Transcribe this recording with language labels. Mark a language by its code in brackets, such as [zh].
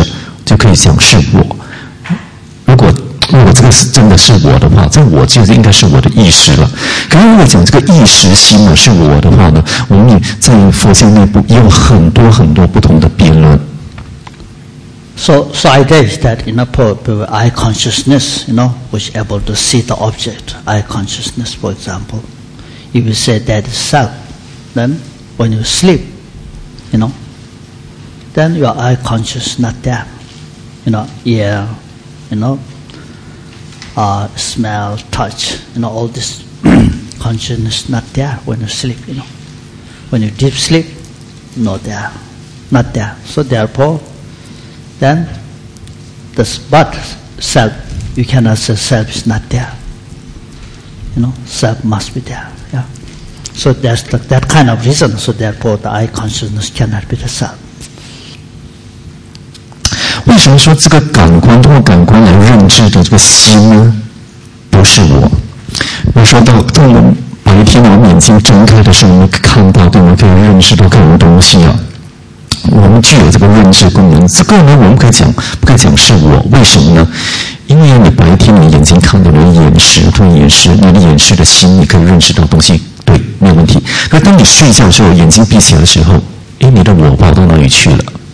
[zh] 我们这个眼呢，眼耳鼻舌身意感官所认识的心，哎，这个眼应该不是我，不能算是我，对吗？因为它会一直产生，然后又不见掉的。所以呢，最终我们可以讲的就是我们的意识，眼耳鼻舌身意，我们的意识啊，我们的心识啊，这意识就可以讲是我。如果 如果这个是真的是我的话，这我就应该是我的意识了。可是如果讲这个意识心呢是我的话呢，我们在佛经内部有很多很多不同的辩论。So [en] idea is that in a poor people, eye consciousness, you know, which able to see the object, eye consciousness, for example. If you say that is self, then when you sleep, you know, then your eye conscious not there. You know, ear, you know. Smell, touch, you know, all this consciousness not there when you sleep, you know. When you deep sleep, not there, not there. So therefore, then, this but self, you cannot say self is not there. You know, self must be there, yeah. So that's that kind of reason, so therefore the I consciousness cannot be the self. [zh] 为什么说这个感官通过感官来认知的这个心呢？不是我。比如说到我们白天，我们眼睛睁开的时候，我们看到，对吗？可以认识到各种东西啊。我们具有这个认知功能，这个呢，我们可以讲，不可以讲是我。为什么呢？因为你白天你眼睛看到你的眼识，你的眼识的心，你可以认识到东西，对，没有问题。那当你睡觉的时候，眼睛闭起来的时候，哎，你的我跑到哪里去了？